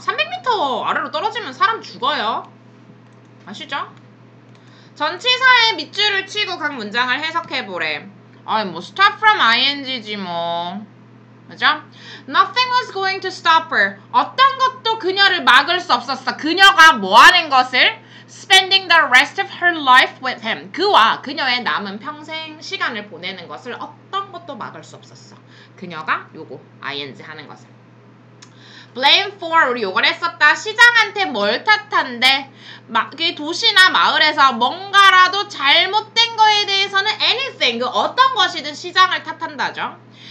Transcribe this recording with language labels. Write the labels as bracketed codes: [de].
[ko] 300m 아래로 떨어지면 사람 죽어요. 아시죠? 전치사의 밑줄을 치고 각 문장을 해석해보래. 아이 뭐 [en] stop from ing [ko] 지 뭐. 그죠? [en] Nothing was going to stop her. [ko] 어떤 것도 그녀를 막을 수 없었어. 그녀가 뭐 하는 것을? [en] Spending the rest of her life with him. [ko] 그와 그녀의 남은 평생 시간을 보내는 것을 어떤 것도 막을 수 없었어. 그녀가 요거 ing 하는 것을. [en] Blame for [ko] 우리 요걸 했었다. 시장한테 뭘 탓한데? 막 도시나 마을에서 뭔가라도 잘못된 거에 대해서는 anything 그 어떤 것이든 시장을 탓한다죠.